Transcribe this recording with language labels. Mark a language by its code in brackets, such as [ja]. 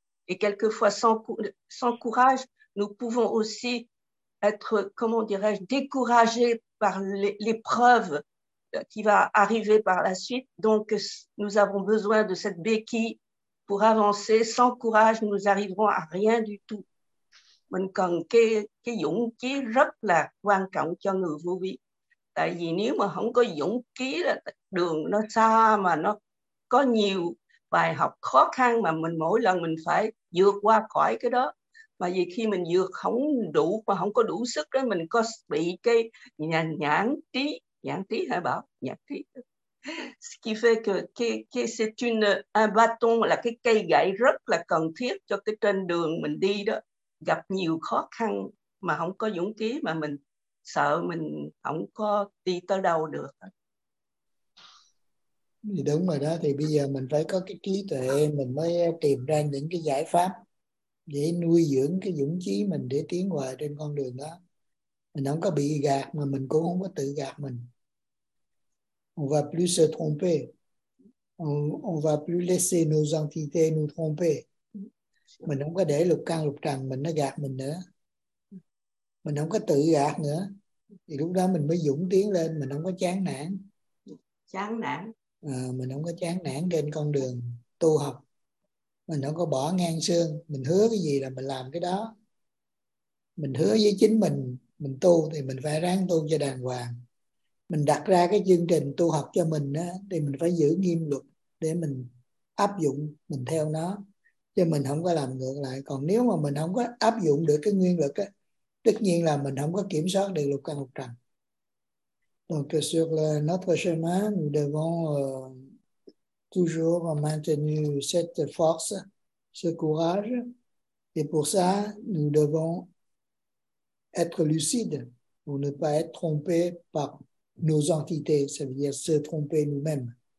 [fr] Et quelquefois, sans courage, nous pouvons aussi être, comment dirais-je, découragés par l'épreuve qui va arriver par la suite. Donc, nous avons besoin de cette béquille pour avancer. Sans courage, nous n'arriverons à rien du tout. [vi] Mình cần cái dũng chí rất là quan trọng cho người vô vi. Tại vì nếu mà không có dũng chí là đường nó xa, mà nó có nhiều bài học khó khăn mà mình mỗi lần mình phải vượt qua khỏi cái đó. Mà vì khi mình vượt không đủ, mà không có đủ sức đó, mình có bị cái nhãn trí hả Bảo? Nhãn trí. [fr] Ce qui fait que c'est un bâton, [vi] là cái cây gậy rất là cần thiết cho cái trên đường mình đi đó. Gặp nhiều khó khăn mà không có dũng khí mà mình sợ mình không có đi tới đâu được. Thì đúng rồi đó, thì bây giờ mình phải có cái trí tuệ mình mới tìm ra những cái giải pháp để nuôi dưỡng cái dũng khí mình để tiến hoài trên con đường đó. Mình không có bị gạt mà mình cũng không có tự gạt mình. [fr] On va plus se tromper. On va plus laisser nos entités nous tromper. [vi] Mình không có để lục căn lục trần mình nó gạt mình nữa. Mình không có tự gạt nữa. Thì lúc đó mình mới dũng tiến lên, mình không có chán nản. Chán nản. Mình không có chán nản trên con đường tu học. Mình không có bỏ ngang xương. Mình hứa cái gì là mình làm cái đó. Mình hứa với chính mình tu thì mình phải ráng tu cho đàng hoàng. Mình đặt ra cái chương trình tu học cho mình đó, thì mình phải giữ nghiêm luật để mình áp dụng, mình theo nó. Chứ mình không có làm ngược lại. Còn nếu mà mình không có áp dụng được cái nguyên lực á, tất nhiên là mình không có kiểm soát được lục căn lục trần. [fr] Donc sur notre chemin, nous devons toujours maintenu cette force, ce courage. Et pour ça, nous devons être lucides pour ne pas être trompés par nos entités, ça veut dire se tromper nous-mêmes.